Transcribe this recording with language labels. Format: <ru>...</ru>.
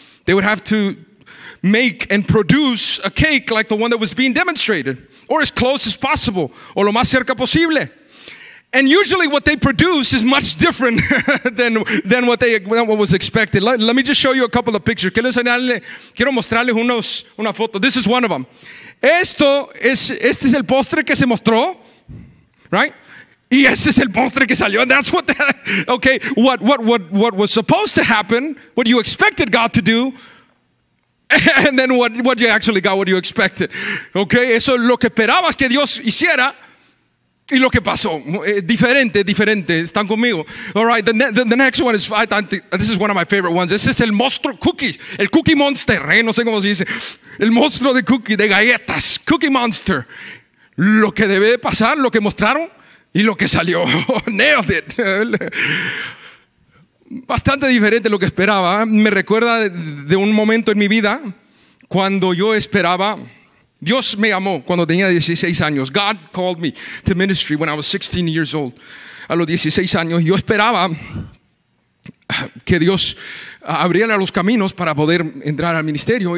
<en>They would have to make and produce a cake like the one that was being demonstrated, or as close as possible,</en> <es>o lo más cerca posible.</es> <en>And usually what they produce is much different than what was expected. Let me just show you a couple of pictures.</en> <es>Quiero mostrarles una foto.</es> <en>This is one of them.</en> <es>Este es el postre que se mostró, right? Y ese es el postre que salió.</es> <en>And that's what what was supposed to happen, what you expected God to do, and then what you actually got, what you expected.</en> <es>Okay, eso es lo que esperabas que Dios hiciera y lo que pasó. Diferente. Están conmigo.</es> <en>All right, the next one is, this is one of my favorite ones. This is</en> <es>el monstruo cookies. El cookie monster. No sé cómo se dice. El monstruo de cookies, de galletas. Cookie monster. Lo que debe pasar, lo que mostraron y lo que salió.</es> <en>Nailed it.</en> <es>Bastante diferente de lo que esperaba. Me recuerda de un momento en mi vida cuando yo esperaba. Dios me llamó cuando tenía 16 años.</es> <en>God called me to ministry when I was 16 years old.</en> <es>A los 16 años, yo esperaba que Dios abriera los caminos para poder entrar al ministerio.</es>